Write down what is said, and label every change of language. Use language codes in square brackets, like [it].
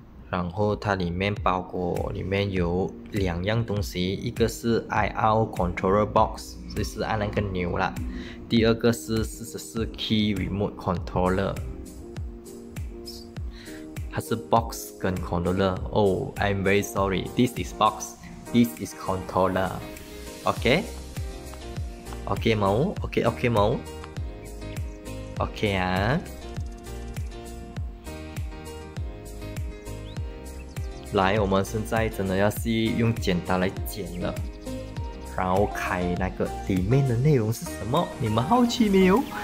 [zh] 然后它里面包裹里面有两样东西，一个是 IR controller box， 这是按那个钮啦，第二个是44 key remote controller， 它是 box 跟 controller。 [en] Oh I'm very sorry， this is box， this is controller， OK OK [zh] 吗？ [en] OK OK [zh] 吗？ OK 啊，来，我们现在真的要是用剪刀来剪了。然后开那个里面的内容是什么，你们好奇没有？